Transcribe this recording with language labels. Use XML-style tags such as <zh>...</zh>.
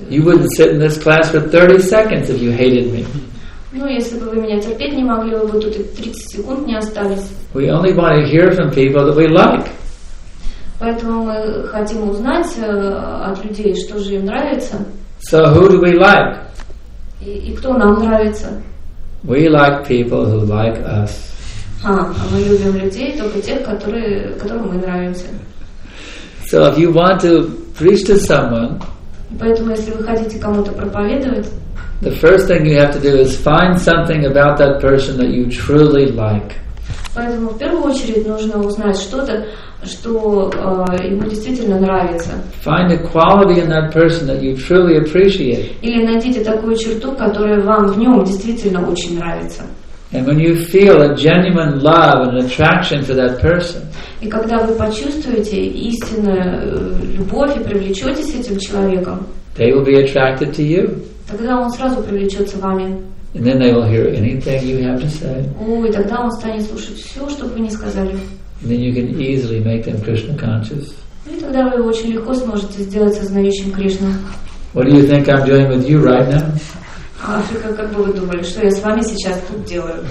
<en>You wouldn't sit in this class for 30 seconds if you hated me.</en> <ru>Ну, если бы вы меня терпеть не могли, вы бы тут и 30 секунд не остались.</ru> <en>We only want to hear from people that we like.</en> <ru>Поэтому мы хотим узнать от людей, что же им нравится.</ru> <en>So who do we like?</en> <ru>И кто нам нравится?</ru> <en>We like people who like us.</en> <ru>А мы любим людей только тех, которым мы нравимся.</ru> <en>So if you want to preach to someone,</en> <ru>поэтому если вы хотите кому-то проповедовать,</ru> <en>the first thing you have to do is find something about that person that you truly like.</en> <ru>Поэтому в первую очередь нужно узнать что-то, что ему действительно нравится.</ru> <en>Find a quality in that person that you truly appreciate.</en> <ru>Или найдите такую черту, которая вам в нем действительно очень нравится.</ru> <en>And when you feel a genuine love and attraction to that person,</en> <ru>и когда вы почувствуете истинную любовь и привлечетесь этим человеком,</ru> <en>they will be attracted to you.</en> <ru>Тогда он сразу привлечется вами.</ru> <en>And then they will hear anything you have to say.</en> <ru>И тогда он станет слушать все, что вы не сказали.</ru> <en>And then you can easily make them Krishna conscious.</en> <ru>И тогда вы его очень легко сможете сделать сознающим Кришну.</ru> <en>What do you think I'm doing with you right now?</en> <ru>Африка, как бы вы думали, что я с вами сейчас тут делаю?</ru>